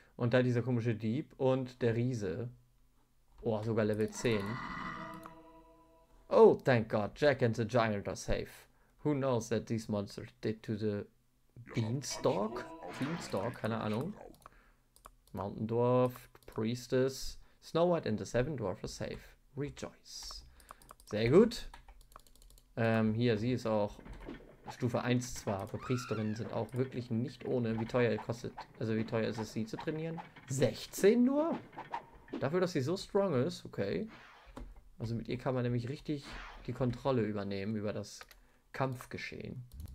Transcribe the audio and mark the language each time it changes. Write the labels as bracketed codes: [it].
[de] Und dann dieser komische Dieb und der Riese. Oh, sogar Level 10. [en] Oh, thank God, Jack and the Giant are safe. Who knows that these monsters did to the Beanstalk? [de] Beanstalk, keine Ahnung. Mountain Dwarf, Priestess. [en] Snow White and the Seven Dwarfs are safe. [de] Rejoice. Sehr gut. Hier, sie ist auch Stufe 1 zwar, aber Priesterinnen sind auch wirklich nicht ohne. Wie teuer kostet, also wie teuer ist es, sie zu trainieren? 16 nur? Dafür, dass sie so strong ist, okay. Also mit ihr kann man nämlich richtig die Kontrolle übernehmen über das Kampfgeschehen.